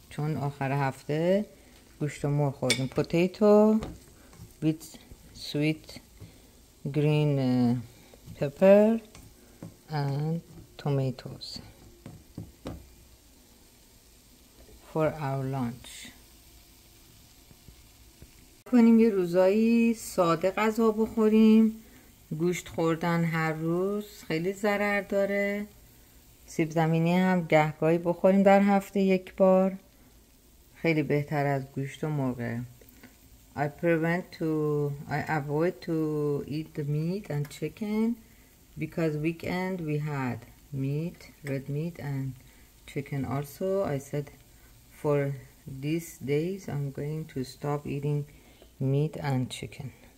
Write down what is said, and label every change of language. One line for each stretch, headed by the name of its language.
Persian: چون آخر هفته گوشت و مرغ خوردیم.
English: Potato. With sweet green pepper and tomatoes for our lunch.
Persian: کنیم یه روزایی ساده غذا بخوریم. گوشت خوردن هر روز خیلی ضرر داره. سیب زمینی هم گهگاهی بخوریم در هفته یک بار خیلی بهتر از گوشت و مرغ.
English: I avoid to eat the meat and chicken because weekend we had meat, red meat and chicken also. I said for these days I'm going to stop eating meat and chicken.